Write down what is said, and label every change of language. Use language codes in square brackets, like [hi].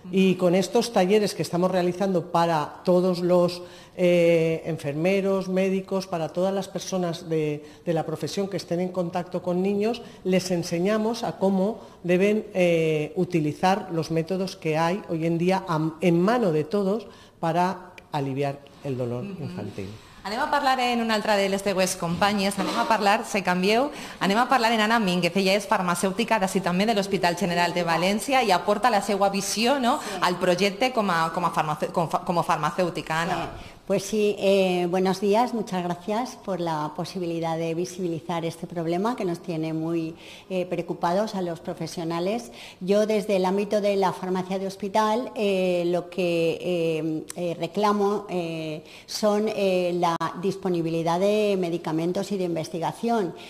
[es] Y con estos talleres que estamos realizando para todos los enfermeros, médicos, para todas las personas de la profesión que estén en contacto con niños, les enseñamos a cómo deben utilizar los métodos que hay hoy en día en mano de todos para aliviar el dolor infantil. [ca] Anem a parlar en una altra de les teues companyes, anem a parlar en Anna Mínguez, ella és farmacèutica d'ací també de l'Hospital General de València i aporta la seva visió, no?, al projecte com a farmacèutica, Anna. [es] Pues sí, buenos días, muchas gracias por la posibilidad de visibilizar este problema que nos tiene muy preocupados a los profesionales. Yo desde el ámbito de la farmacia de hospital lo que reclamo son la disponibilidad de medicamentos y de investigación.